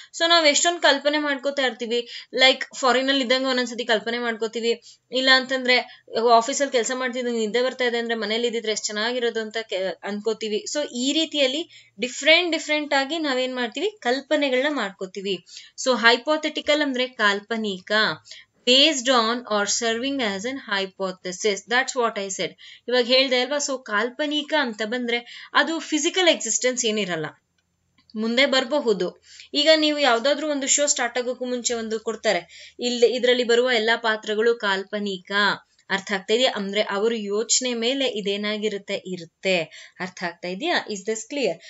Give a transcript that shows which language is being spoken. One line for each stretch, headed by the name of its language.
Kannada: So ನಾವ್ ಎಷ್ಟೊಂದು ಕಲ್ಪನೆ ಮಾಡ್ಕೋತಾ ಇರ್ತೀವಿ, ಲೈಕ್ ಫಾರಿನ್ ಅಲ್ಲಿ ಇದ್ದಂಗೆ ಒಂದೊಂದ್ಸತಿ ಕಲ್ಪನೆ ಮಾಡ್ಕೋತೀವಿ, ಇಲ್ಲ ಅಂತಂದ್ರೆ ಆಫೀಸ್ ಅಲ್ಲಿ ಕೆಲಸ ಮಾಡ್ತಿದ್ದಂಗೆ ನಿದ್ದೆ ಬರ್ತಾ ಇದೆ ಅಂದ್ರೆ ಮನೇಲಿ ಇದ್ದಿದ್ರೆ ಎಷ್ಟು ಚೆನ್ನಾಗಿರೋದು ಅಂತ ಅನ್ಕೋತೀವಿ. ಸೊ ಈ ರೀತಿಯಲ್ಲಿ ಡಿಫ್ರೆಂಟ್ ಡಿಫ್ರೆಂಟ್ ಆಗಿ ನಾವೇನ್ ಮಾಡ್ತೀವಿ, ಕಲ್ಪನೆಗಳನ್ನ ಮಾಡ್ಕೋತೀವಿ. ಸೊ ಹೈಪೋಥೆಟಿಕಲ್ ಅಂದ್ರೆ ಕಾಲ್ಪನಿಕ,
English: based on or serving as an hypothesis, that's what I said.
Kannada: ಇವಾಗ ಹೇಳ್ದೆ ಅಲ್ವಾ, ಸೊ ಕಾಲ್ಪನಿಕ ಅಂತ ಬಂದ್ರೆ ಅದು ಫಿಸಿಕಲ್ ಎಕ್ಸಿಸ್ಟೆನ್ಸ್ ಏನಿರಲ್ಲ, ಮುಂದೆ ಬರಬಹುದು. ಈಗ ನೀವು ಯಾವ್ದಾದ್ರು ಒಂದು ಶೋ ಸ್ಟಾರ್ಟ್ ಆಗೋಕ್ಕೂ ಮುಂಚೆ ಒಂದು ಕೊಡ್ತಾರೆ, ಇಲ್ಲಿ ಇದರಲ್ಲಿ ಬರುವ ಎಲ್ಲಾ ಪಾತ್ರಗಳು ಕಾಲ್ಪನಿಕ, ಅರ್ಥ ಆಗ್ತಾ ಇದೆಯಾ? ಅಂದ್ರೆ ಅವರು ಯೋಚನೆ ಮೇಲೆ ಇದೇನಾಗಿರುತ್ತೆ, ಇರುತ್ತೆ. ಅರ್ಥ ಆಗ್ತಾ ಇದೆಯಾ?
English: Is this clear?